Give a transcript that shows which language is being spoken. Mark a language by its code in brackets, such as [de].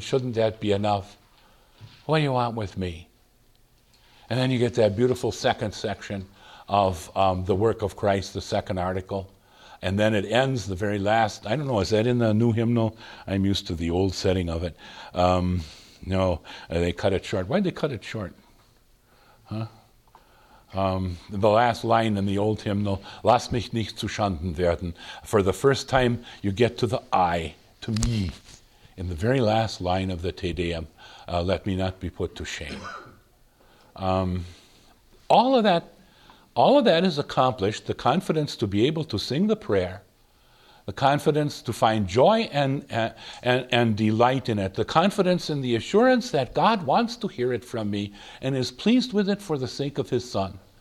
[en] Shouldn't that be enough? What do you want with me? And then you get that beautiful second section of the work of Christ, the second article. And then it ends, the very last, I don't know, is that in the new hymnal? I'm used to the old setting of it. No, they cut it short. Why'd they cut it short? The last line in the old hymnal, [de] lass mich nicht zu Schanden werden. [en] For the first time, you get to the I, to me. In the very last line of the Te Deum, let me not be put to shame. All of that is accomplished, the confidence to be able to sing the prayer, the confidence to find joy and delight in it, the confidence in the assurance that God wants to hear it from me and is pleased with it for the sake of his Son.